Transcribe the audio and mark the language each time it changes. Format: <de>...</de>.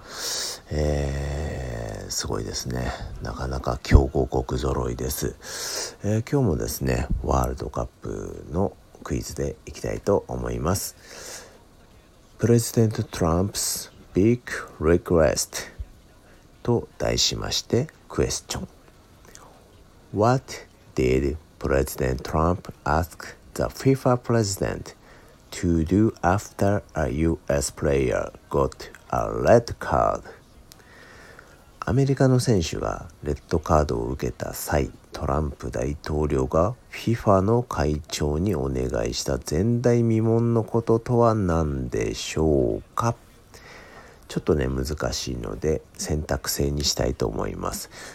<ja>すごいですね。なかなか強豪国揃いです。今日もですね、ワールドカップのクイズでいきたいと思います。</ja> <en>プレジデント・トランプスビッグ・リクエスト</en> <ja>と題しまして、</ja> <en>クエスチョン。 What did President Trump ask the FIFA President to do after a US player got a red card?</en> <ja>アメリカの選手がレッドカードを受けた際、トランプ大統領が FIFA の会長にお願いした前代未聞のこととは何でしょうか。ちょっとね、難しいので選択制にしたいと思います。</ja>